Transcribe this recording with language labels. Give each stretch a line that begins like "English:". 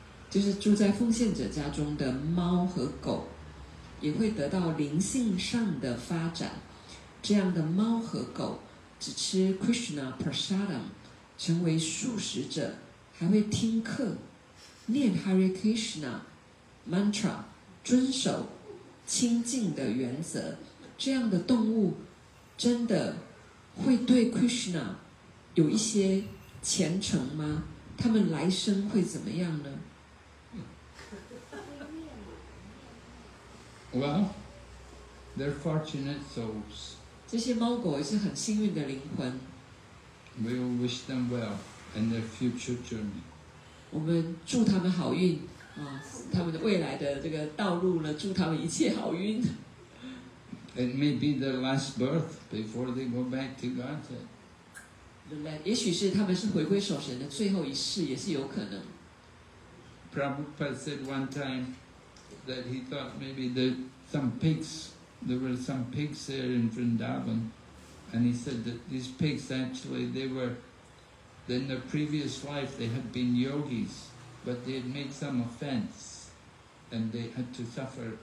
Chinese: 就是住在奉献者家中的猫和狗也会得到灵性上的发展，这样的猫和狗只吃 Krishna Prasadam 成为素食者，还会听课念 Hare Krishna Mantra 遵守清净的原则，这样的动物真的会对 Krishna 有一些虔诚吗？他们来生会怎么样呢？
English: Well, they're fortunate souls.
Chinese: 这些猫狗也是很幸运的灵魂。
English: We'll wish them well in their future journey.
Chinese: 我们祝他们好运啊，他们的未来的这个道路呢，祝他们一切好运。
English: It may be their last birth before they go back to Godhead.
Chinese: 也许是他们是回归守神的最后一世，也是有可能。
English: Prabhupada said one time. That he thought maybe there were some pigs there in Vrindavan, and he said that these pigs actually they were, in their previous life they had been yogis, but they had made some offense, and they had to suffer.